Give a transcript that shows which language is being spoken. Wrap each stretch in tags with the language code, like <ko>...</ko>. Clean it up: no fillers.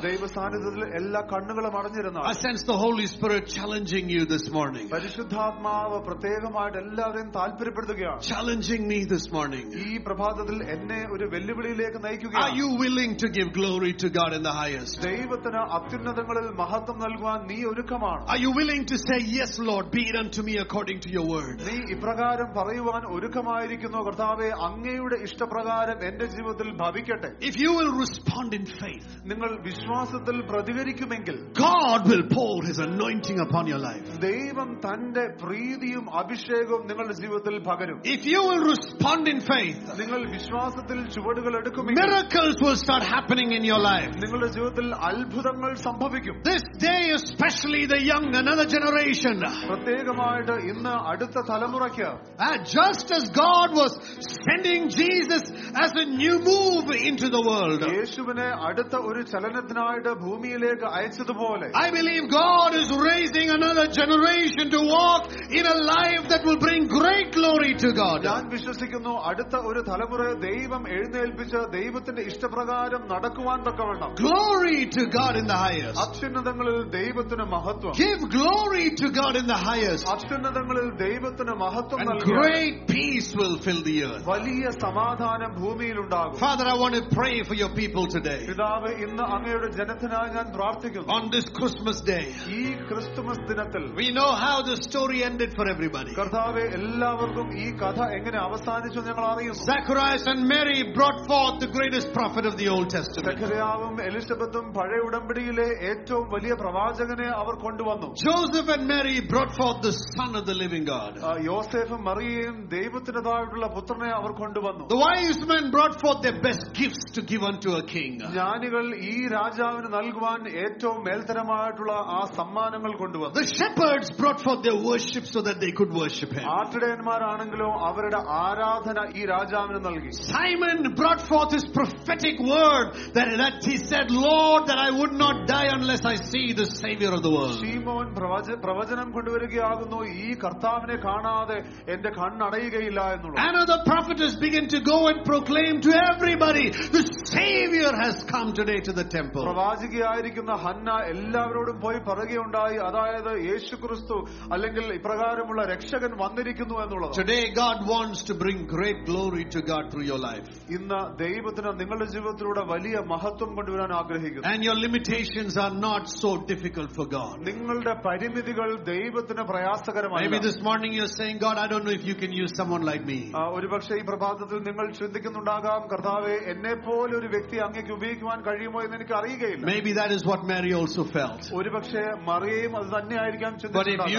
<ml>ദൈവസാന്നിധ്യത്തിൽ എല്ലാ കണ്ണുകളും അടഞ്ഞിരുന്നാൽ.</ml> <en>I sense the Holy Spirit challenging you this morning.</en> <ml>പരിശുദ്ധാത്മാവ് പ്രത്യേകമായിട്ട് എല്ലാവരെയും താൽപര്യപ്പെടുത്തുകയാണ്.</ml> <en>Challenging me this morning.</en> <ml>ഈ പ്രഭാതത്തിൽ എന്നെ ഒരു വെല്ലുവിളിയിലേക്ക് നയിക്കുകയാണ്.</ml> <en>Are you willing to give glory to God in the highest?</en> <ml>ദൈവത്തിന് അത്യുന്നതങ്ങളിൽ മഹത്വം നൽകുവാൻ നീ ഒരുക്കമാണ്.</ml> <en>Are you willing to say yes Lord, be it unto me according to your word?</en> <ml>നീ ഇപ്രകാരം പറയുവാൻ ഒരുക്കമായിരിക്കുന്നു കർത്താവേ, അങ്ങയുടെ ഇഷ്ടപ്രകാരം എന്റെ ജീവിതത്തിൽ ഭവിക്കട്ടെ.</ml> <en>If you will respond in faith,</en> <ml>നിങ്ങൾ വിശ്വാസത്തിൽ പ്രതികരിക്കുമെങ്കിൽ,</ml> <en>God will pour his anointing upon your life.</en> <ml>ദൈവം തന്റെ പ്രീതിയും അഭിഷേകവും നിങ്ങളുടെ ജീവിതത്തിൽ പകരും.</ml> <en>If you will respond in faith,</en> <ml>നിങ്ങൾ വിശ്വാസത്തിൽ ചുവടുകൾ എടുക്കുമെങ്കിൽ,</ml> <en>miracles will start happening in your life.</en> <ml>നിങ്ങളുടെ ജീവിതത്തിൽ അത്ഭുതങ്ങൾ സംഭവിക്കും.</ml> <en>This day especially the young another generation,</en> <ml>പ്രത്യേകമായിട്ട് ഇന്ന് അടുത്ത തലമുറയ്ക്ക്,</ml> <en>just as God was sending Jesus as a new move into the world,</en> <ml>യേശുവിനെ അടുത്ത ഒരു ചലനത്തിനായിട്ട് ഭൂമിയിലേക്ക് അയച്ചതുപോലെ,</ml> <en>I believe God is raising another generation to walk in a life that will bring great glory to God.</en> <ml>ഞാൻ വിശ്വസിക്കുന്നു അടുത്ത ഒരു തലമുറ ദൈവം എഴുന്നേൽപ്പിച്ച് ദൈവത്തിന്റെ ഇഷ്ടപ്രകാരം നടക്കുവാൻ തക്കവണ്ണം.</ml> <en>Glory to God in the highest.</en> <ml>അത്യുന്നതങ്ങളിൽ ദൈവത്തിന് മഹത്വം.</ml> <en>Give glory to God in the highest.</en> <ml>അത്യുന്നതങ്ങളിൽ ദൈവത്തിന് മഹത്വം.</ml> <en>And great peace will fill the earth.</en> <ml>വലിയ സമാധാനം ഭൂമിയിൽ ഉണ്ടാകും.</ml> <en>Father, I want to pray for your people today.</en> <ml>പിതാവേ, ഇന്ന് അങ്ങയുടെ ജനത്തിനായി ഞാൻ പ്രാർത്ഥിക്കുന്നു.</ml> <en>On this Christmas day.</en> <ml>ഈ ക്രിസ്തുമസ് ദിനത്തിൽ.</ml> <en>We know how the story ended for everybody.</en> <ml>കർത്താവേ, എല്ലാവർക്കും ഈ കഥ എങ്ങനെ അവസാനിച്ചു ഞങ്ങൾ അറിയുന്നു.</ml> <en>Zacharias and Mary brought forth the greatest prophet of the Old Testament.</en> <ml>സെക്കരിയാവും എലിസബത്തും പഴയ ഉടമ്പടിയിലെ ഏറ്റവും വലിയ പ്രവാചകനെ അവർ കൊണ്ടുവന്നു.</ml> <en>Joseph and Mary brought forth the son of the living God.</en> <ml>യോസേഫും മറിയയും ദൈവത്തിന്റേതായിട്ടുള്ള പുത്രനെ അവർ കൊണ്ടുവന്നു.</ml> <en>The wise men brought forth their best gifts to give unto a king.</en> <ml>ജ്ഞാനികൾ ഈ രാജാവിന് നൽകുവാൻ ഏറ്റവും മേൽത്തരമായിട്ടുള്ള ആ സമ്മാനങ്ങൾ കൊണ്ടുവന്നു.</ml> <en>The shepherds brought forth their worship so that they could worship him.</en> <ml>ആട്ടിടയന്മാരാണെങ്കിലും അവരുടെ ആരാധന ഈ രാജാവിന് നൽകി.</ml> <en>Simon brought forth his prophetic word that he said, Lord, that I would not die unless I see the savior of the world.</en> <ml>ശിമോൻ പ്രവചനം കൊണ്ടുവരികയാകുന്നു, ഈ കർത്താവിനെ കാണാതെ എന്റെ കണ്ണടയുകയില്ല എന്നുള്ളത്.</ml> <en>Another prophet has begun to go and proclaim to everybody, the savior has come today to the temple.</en> <ml>പ്രവാചികയായിരിക്കുന്ന Hannah എല്ലാവരോടും പോയി പറയുകയുണ്ടായി, അതായത് യേശുക്രിസ്തു അല്ലെങ്കിൽ ഇപ്രകാരമുള്ള രക്ഷകൻ വന്നിരിക്കുന്നു എന്നുള്ളത്.</ml> <en>Today God wants to bring great glory to God through your life.</en> <ml>ഇന്ന് ദൈവത്തിന് നിങ്ങളുടെ ജീവിതത്തിലൂടെ വലിയ മഹത്വം കൊണ്ടുവരാൻ ആഗ്രഹിക്കുന്നു.</ml> <en>And your limitations are not so difficult for God.</en> <ml>നിങ്ങളുടെ പരിമിതികൾ ദൈവത്തിന് പ്രയാസകരമല്ല.</ml> <en>Maybe this morning you're saying, God, I don't know if you can use someone like me.</en> <ml>ഒരുപക്ഷേ ഈ പ്രഭാതത്തിൽ നിങ്ങൾ ചിന്തിക്കുന്നുണ്ടാകാം, കർത്താവേ, എന്നെ പോലെ ഒരു വ്യക്തി അങ്ങേക്ക് ഉപയോഗിക്കുവാൻ കഴിയുമോ എന്ന് എനിക്ക് അറിയുകയില്ല.</ml> <en>Maybe that is what Mary also felt.</en> <ml>ഒരുപക്ഷേ മറിയയും അത് തന്നെയായിരിക്കാം ചിന്തിച്ചിട്ടുണ്ട്.</ml>